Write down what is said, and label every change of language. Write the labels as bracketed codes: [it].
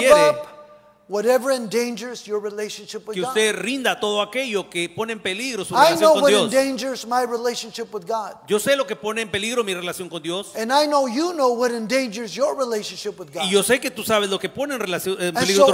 [en] Give up whatever endangers your relationship with [es] God. Que usted rinda todo aquello que pone en peligro su relación con Dios. [en] I know what endangers my relationship with God. [es] Yo sé lo que pone en peligro mi relación con Dios. [en] And I know you know what endangers your relationship with God. [es] Y yo sé que tú sabes lo que pone en peligro tu relación con Dios.